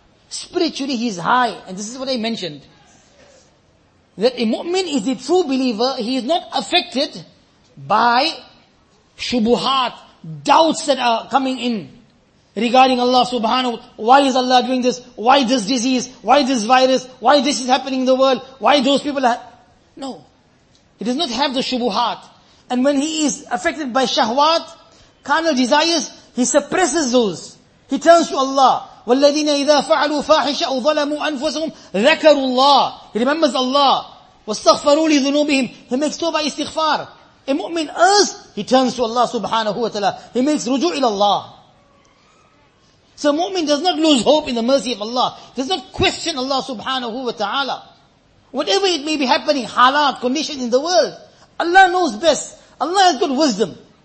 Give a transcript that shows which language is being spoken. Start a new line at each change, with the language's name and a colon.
English: Spiritually, he is high. And this is what I mentioned. That a mu'min is a true believer, he is not affected by shubuhat, doubts that are coming in regarding Allah subhanahu wa ta'ala. Why is Allah doing this? Why this disease? Why this virus? Why this is happening in the world? Why those people are... No. He does not have the shubuhat. And when he is affected by shahwat, carnal desires, he suppresses those. He turns to Allah.
Arabic: وَالَّذِينَ إِذَا فَعَلُوا فَاحِشَ أَوْ ظَلَمُوا أَنفُسَهُمْ ذَكَرُوا اللَّهِ.
English: He remembers Allah.
Arabic: وَاسْتَغْفَرُوا لِذُنُوبِهِمْ.
English: He makes tawbah istighfar. A mu'min earns, he turns to Allah subhanahu wa ta'ala. He makes rujoo ila Allah. So a mu'min does not lose hope in the mercy of Allah. Does not question Allah subhanahu wa ta'ala. Whatever it may be happening, halat, condition in the world, Allah knows best. Allah has got wisdom.